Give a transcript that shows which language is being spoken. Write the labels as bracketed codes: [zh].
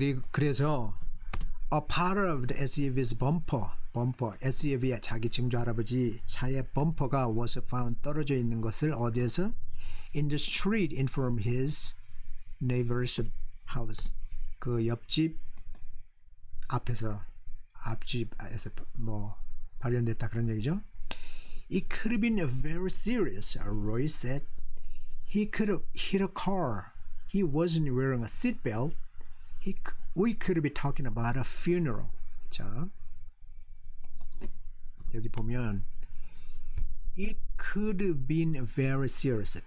[en] 그래서 a part of the SUV's bumper, [ko] 범퍼 SUV야 자기 증조 할아버지 차의 범퍼가 [en] was found [ko] 떨어져 있는 것을 어디에서? [en] In the street in front of his neighbor's house. [ko] 그 옆집 앞에서 앞집에서 뭐 발견됐다 그런 얘기죠. [en] It could have been very serious, Roy said. He could have hit a car. He wasn't wearing a seatbelt. We could be talking about a funeral. [ko] 자, 여기 보면 [en] It could have been very serious.